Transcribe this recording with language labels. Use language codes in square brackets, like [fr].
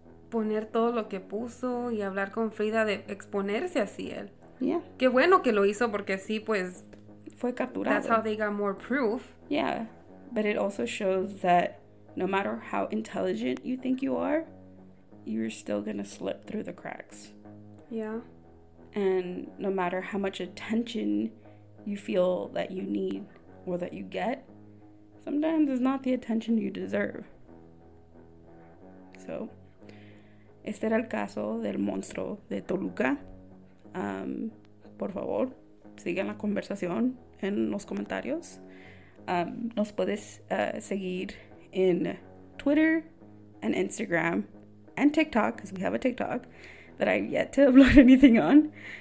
[es] Poner todo lo que puso y hablar con Frida de exponerse así él. [en] Yeah. [es] Qué bueno que lo hizo porque sí, pues. Fue capturado. [en] That's how they got more proof. Yeah. But it also shows that no matter how intelligent you think you are, you're still gonna slip through the cracks. Yeah. And no matter how much attention you feel that you need or that you get, sometimes it's not the attention you deserve. [es] So, este era el caso del monstruo de Toluca. Por favor, sigan la conversación en los comentarios. Nos puedes seguir en [en] Twitter and Instagram and TikTok, because we have a TikTok that I've yet to upload anything on.